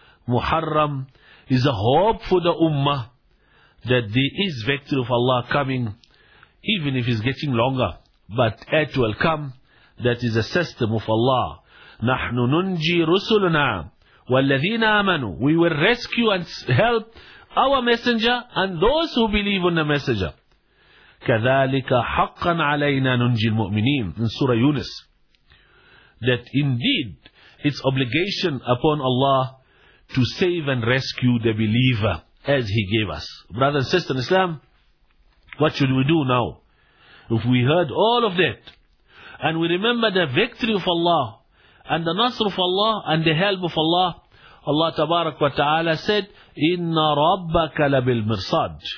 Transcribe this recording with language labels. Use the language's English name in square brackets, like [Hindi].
[English] Muharram is a hope for the Ummah that there is victory of Allah coming, even if it's getting longer. But it will come. That is a system of Allah. [Arabic] نَحْنُ نُنْجِي رُسُلُنَا وَالَّذِينَ آمَنُوا. [English] We will rescue and help our messenger and those who believe in the messenger. [Arabic] كَذَلِكَ حَقًّا عَلَيْنَا نُنْجِي الْمُؤْمِنِينَ. [English] In Surah Yunus. That indeed it's obligation upon Allah to save and rescue the believer as He gave us. Brother and sister in Islam, what should we do now? If we heard all of that, and we remember the victory of Allah, and the nasr of Allah, and the help of Allah, Allah tabarak wa ta'ala said, [Arabic] Inna rabbaka labil mirsad.